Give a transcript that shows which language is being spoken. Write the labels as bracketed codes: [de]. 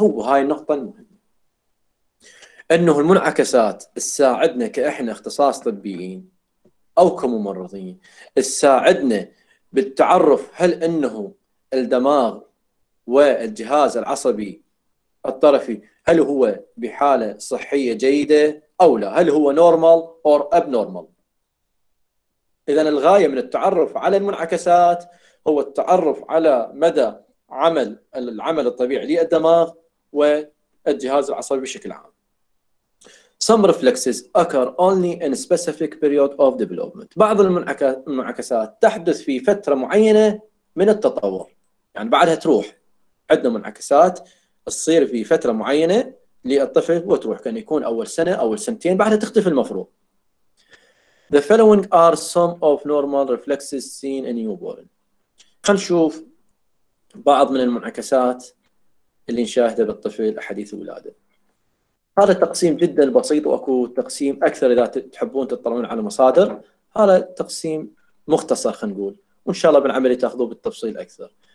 [ar] هو هاي النقطة المهمة، انه المنعكسات تساعدنا كاحنا اختصاص طبيين او كممرضين، تساعدنا بالتعرف هل انه الدماغ والجهاز العصبي الطرفي هل هو بحاله صحيه جيده او لا، هل هو نورمال اور اب نورمال. اذا الغايه من التعرف على المنعكسات هو التعرف على مدى عمل العمل الطبيعي للدماغ والجهاز العصبي بشكل عام. [en] Some reflexes occur only in a specific period of development. [ar] بعض المنعكسات تحدث في فترة معينة من التطور، يعني بعدها تروح. عندنا منعكسات تصير في فترة معينة للطفل وتروح، كان يكون أول سنة أول سنتين بعدها تختفي المفروض. [en] The following are some of normal reflexes seen in newborn. [ar] خلينا نشوف بعض من المنعكسات اللي نشاهده بالطفل أحاديث الولادة. هذا تقسيم جدا بسيط، وأكو تقسيم أكثر إذا تحبون تطلعون على مصادر، هذا تقسيم مختصر خلينا نقول، وإن شاء الله بالعملية تأخذوه بالتفصيل أكثر.